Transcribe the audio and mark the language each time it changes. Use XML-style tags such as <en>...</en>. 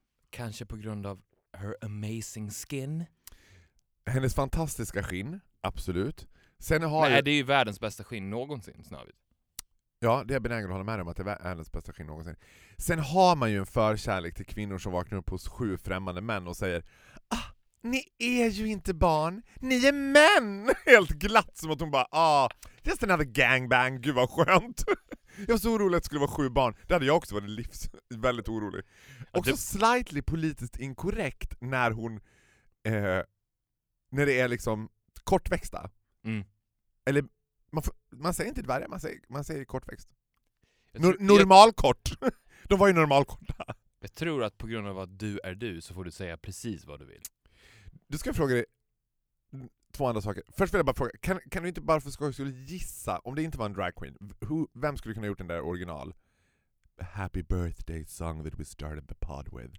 <sv>Kanske på grund av</sv> <en>her amazing skin.</en> <sv>Hennes fantastiska skinn, absolut. Sen har Nej, det är ju världens bästa skinn någonsin, snabbt. Ja, det är benägen att hålla med om att det är världens bästa skinn någonsin. Sen har man ju en förkärlek till kvinnor som vaknar upp hos 7 främmande män och säger, ah, ni är ju inte barn, ni är män! Helt glatt som att hon bara, ah,</sv> <en>just another gangbang,</en> <sv>gud vad skönt. Jag var så orolig att det skulle vara 7 barn. Det hade jag också varit livs väldigt orolig. Också slightly politiskt inkorrekt när hon... När det är liksom kortväxta. Mm. Eller man säger inte dvärgar, man säger kortväxt. Normalkort. De var ju normalkorta. Jag tror att på grund av att du är du så får du säga precis vad du vill. Du ska fråga dig 2 andra saker. Först vill jag bara fråga, kan du inte bara för skojs skull gissa, om det inte var en drag queen, vem skulle kunna ha gjort den där original?</sv> <en>Happy birthday song that we started the pod with.</en>